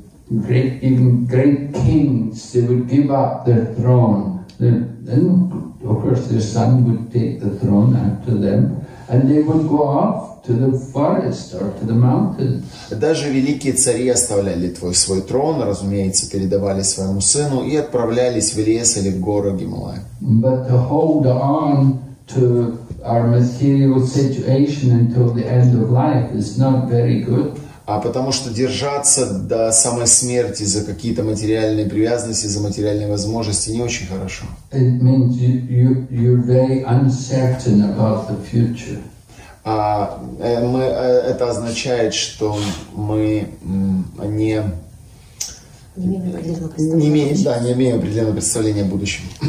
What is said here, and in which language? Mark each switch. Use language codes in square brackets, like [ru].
[en] The great kings, they would give up their throne. Then, of course, their son would take the throne after them, and they would go off to the forest or to the mountains. [ru] Даже великие цари оставляли свой трон, разумеется, передавали своему сыну и отправлялись в лес или в горы Гималаи. [en] But to hold on to our material situation until the end of life is not very good. [ru] А потому что держаться до самой смерти за какие-то материальные привязанности, за материальные возможности не очень хорошо. [en] It means you're very uncertain about the future. [ru] Это означает, что мы не имеем определенного представления о будущем.